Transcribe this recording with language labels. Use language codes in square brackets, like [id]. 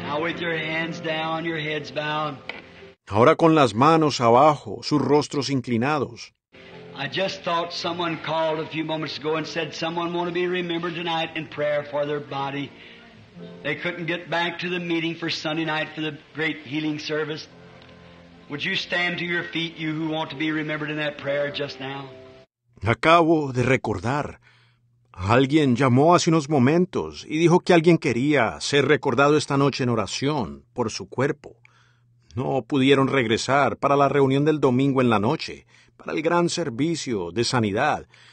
[en] Now with your hands down, your heads bowed. [es] Ahora con las manos abajo, sus rostros inclinados. [en] I just thought someone called a few moments ago and said someone want to be remembered tonight in prayer for their body. They couldn't get back to the meeting for Sunday night for the great healing service. Would you stand to your feet, you who want to be remembered in that prayer just now? [es] Acabo de recordar. Alguien llamó hace unos momentos y dijo que alguien quería ser recordado esta noche en oración por su cuerpo. No pudieron regresar para la reunión del domingo en la noche, para el gran servicio de sanidad.